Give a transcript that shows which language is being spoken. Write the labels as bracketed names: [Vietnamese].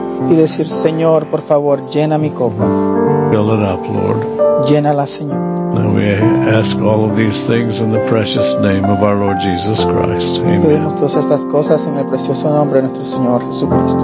[Spanish] Y decir, Señor, por favor, llena mi copa. [English] Fill it up, Lord. [Spanish] Llénala, Señor. [English] And we ask all of these things in the precious name of our Lord Jesus Christ. Amen. [Spanish] Pedimos todas estas cosas en el precioso nombre de nuestro Señor Jesucristo.